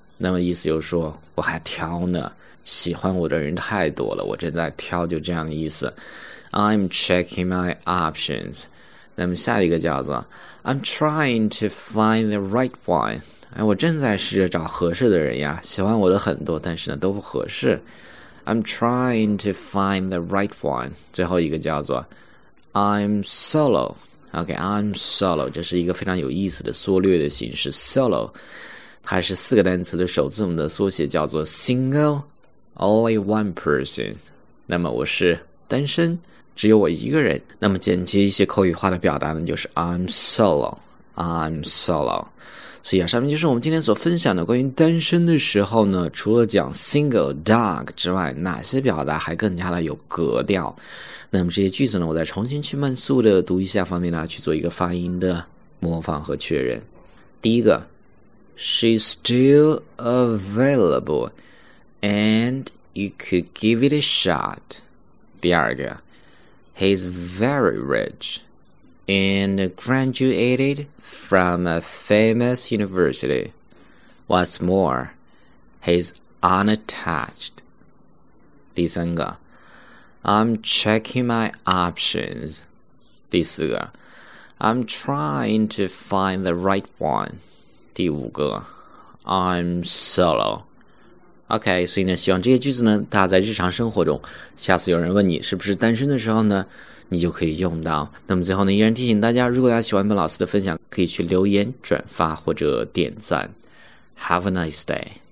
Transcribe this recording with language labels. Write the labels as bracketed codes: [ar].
[zh] 那么意思就是说我还挑呢，喜欢我的人太多了，我正在挑，就这样的意思。 [en] I'm checking my options。 [zh] 那么下一个叫做 [en] I'm trying to find the right one， [zh] 我正在试着找合适的人呀，喜欢我的很多，但是呢都不合适。 [en] I'm trying to find the right one。 [zh] 最后一个叫做 [en] I'm solo， [zh] OK， I'm solo， 这是一个非常有意思的缩略的形式。 solo 它是四个单词的首字母的缩写，叫做 [en] singleOnly one person， [zh] 那么我是单身，只有我一个人。那么简洁一些口语化的表达呢，就是 [en] I'm solo。 [zh] 所以啊，上面就是我们今天所分享的关于单身的时候呢，除了讲 single dog 之外，哪些表达还更加的有格调。那么这些句子呢，我再重新去慢速的读一下，方便大家去做一个发音的模仿和确认。第一个， [en] She's still availableAnd you could give it a shot. [zh] 第二个， [en] He's very rich and graduated from a famous university. What's more, he's unattached. [zh] 第三个， [en] I'm checking my options. [zh] 第四个， [en] I'm trying to find the right one. [zh] 第五个， [en] I'm solo. [zh] OK, 所以呢，希望这些句子呢，大家在日常生活中，下次有人问你是不是单身的时候呢，你就可以用到。那么最后呢，依然提醒大家，如果大家喜欢本老师的分享，可以去留言、转发或者点赞。 [en] Have a nice day.